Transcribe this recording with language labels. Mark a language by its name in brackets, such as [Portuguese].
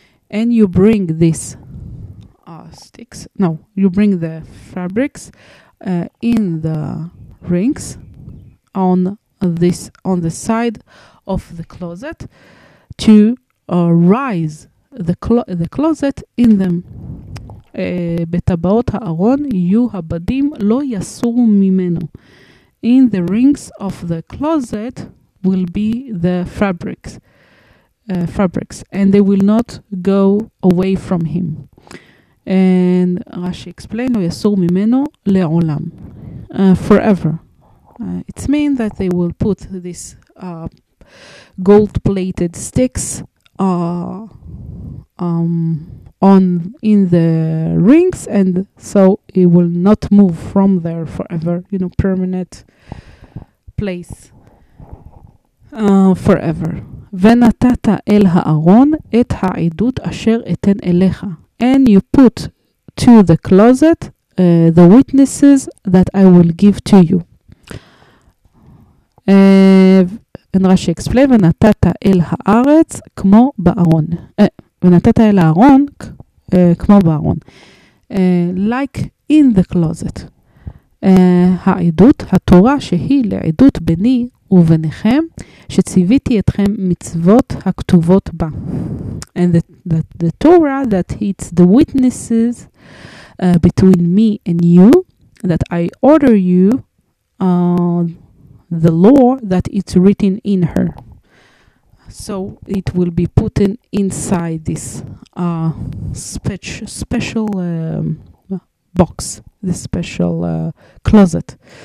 [English] And you bring this sticks. No, you bring the fabrics in the rings on this on the side of the closet to rise the closet in them. [Hebrew] בטבעות הארון יהיו הבדים לא יסור ממנו. [English] In the rings of the closet will be the fabrics, and they will not go away from him. And Rashi explained, [Hebrew] לא יסור ממנו לעולם, [English] forever. It means that they will put these gold-plated sticks on in the rings, and so it will not move from there forever, you know, permanent place forever. [Hebrew] ונתת אל הארון את העדות אשר אתן אליך. [English] And you put to the closet the witnesses that I will give to you. And Rashi explained, [Hebrew] ונתת אל הארץ כמו בארון. ונתת אל הארון כמו בארון. [English] Like in the closet. [Hebrew] העדות, התורה שהיא לעדות ביני וביניכם, שציוויתי אתכם מצוות הכתובות בה. [English] And the Torah, that it's the witnesses between me and you, that I order you, the law that it's written in her. So it will be put in inside this special box, this special closet.